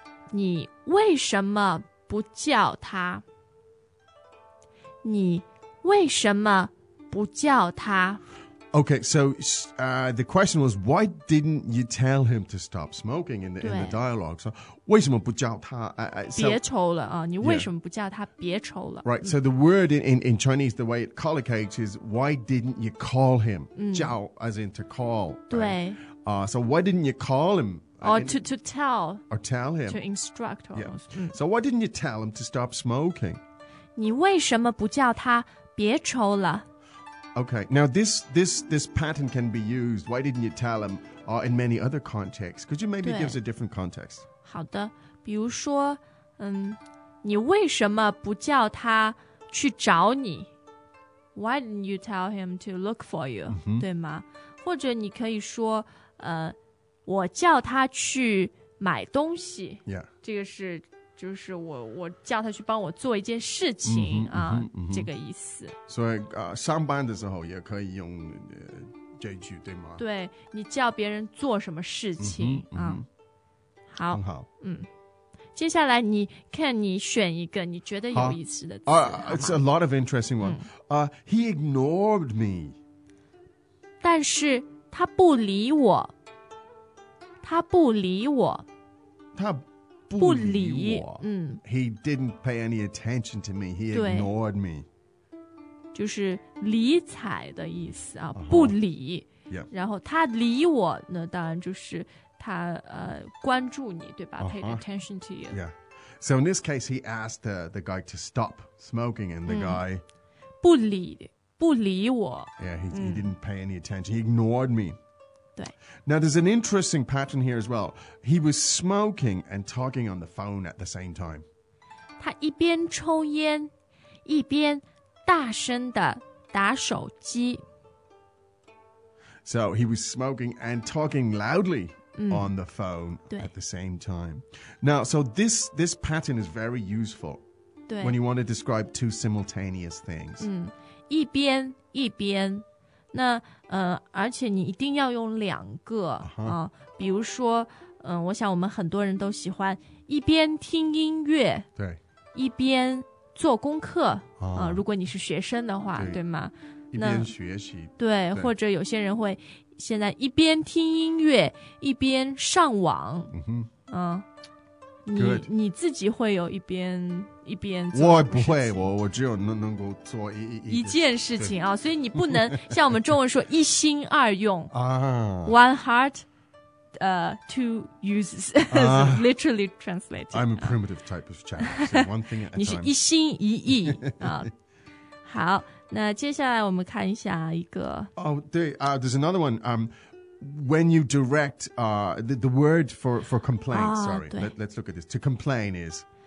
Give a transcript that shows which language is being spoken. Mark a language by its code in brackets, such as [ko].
[zh] 你为什么不叫他你为什么不叫他 [en] Okay, so the question was why didn't you tell him to stop smoking in the dialogue? So [zh] 为什么不叫他别抽了、你为什么不叫他、 [en] yeah. [zh] 别抽了 [en] Right, so the word in Chinese, the way it collocates is why didn't you call him?、嗯、 [zh] 叫 [en] as in to call. [zh] 对、 [en] right? So why didn't you call him? Or to tell. Or tell him. To instruct almost.、Yeah. 嗯、 so why didn't you tell him to stop smoking? [zh] 你为什么不叫他别抽了 [en] Okay, now this pattern can be used, why didn't you tell him, in many other contexts? Could you maybe give us a different context? [zh] 好的,比如说,你为什么不叫他去找你? [en] Why didn't you tell him to look for you, mm-hmm. [zh] 对吗? 或者你可以说,我叫他去买东西。 [en] Yeah. [zh] 这个是,就是我叫他去帮我做一件事情、mm-hmm, 啊、mm-hmm. 这个意思。所以上班的时候也可以用、这句对吗对你叫别人做什么事情、mm-hmm, 啊、mm-hmm. 好很好嗯。接下来你看你选一个你觉得有意思的词。 [en] It's a lot of interesting one.、嗯 he ignored me. [zh] 但是他不理我。他不理我。他不理我、嗯、 [en] He didn't pay any attention to me. He ignored me. [zh] 就是理睬的意思啊、uh-huh. 不理、 [en] yeah. [zh] 然后他理我那当然就是他、关注你对吧、uh-huh. [en] paid attention to you. Yeah. So in this case, he asked the guy to stop smoking and the、嗯、guy [zh] 不理我 [en] Yeah, he,、嗯、he didn't pay any attention. He ignored me. [zh] 对 [en] Now, there's an interesting pattern here as well. He was smoking and talking on the phone at the same time. [zh] 他一边抽烟,一边大声地打手机。 [en] So, he was smoking and talking loudly、嗯、on the phone at the same time. Now, so this pattern is very useful when you want to describe two simultaneous things.、 [zh] 嗯、一边。那而且你一定要用两个、uh-huh. 比如说我想我们很多人都喜欢一边听音乐对一边做功课、如果你是学生的话 对, 对吗一边学习对, 对或者有些人会现在一边听音乐一边上网、 mm-hmm. 你自己会有一边做我不会 我只有 能够做一件事情啊，所以你不能像我们中文说一心二用啊 [en] One heart two uses literally translated I'm a primitive type of chap、one thing at a time [zh] 你是一心一意啊。好那接下来我们看一下一个 [en] 哦、oh, 对、there's another one when you direct the word for complain、oh, sorry let's look at this to complain is